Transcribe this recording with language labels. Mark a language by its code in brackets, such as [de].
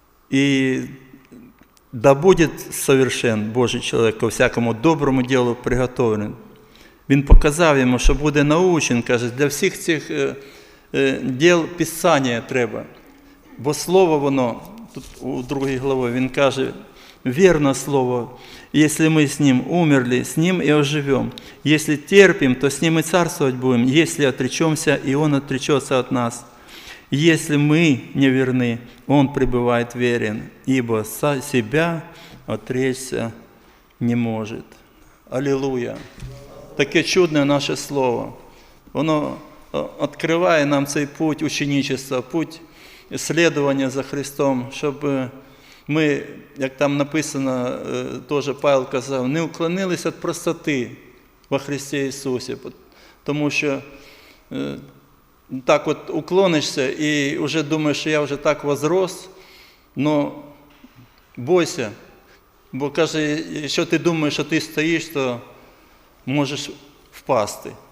[ru] И да будет совершен Божий человек ко всякому доброму делу приготовлен. [uk] Він показав йому, що буде научен, каже, для всіх цих дел Писання треба. Бо слово воно, тут у другій главі він каже, [ru] верно слово, если мы с ним умерли, с ним и оживем. Если терпим, то с ним и царствовать будем. Если отречемся, и он отречется от нас. Если мы не верны, он пребывает верен, ибо себя отречься не может. Аллилуйя! Таке чудное наше слово. Оно открывает нам цей путь ученичества, путь следования за Христом, чтобы [uk] ми, як там написано, теж Павло казав, не уклонилися від простоти во Христі Ісусі. Тому що так от уклонишся і вже думаєш, що я вже так возрос, но бойся, бо каже, якщо ти думаєш, що ти стоїш, то можеш впасти.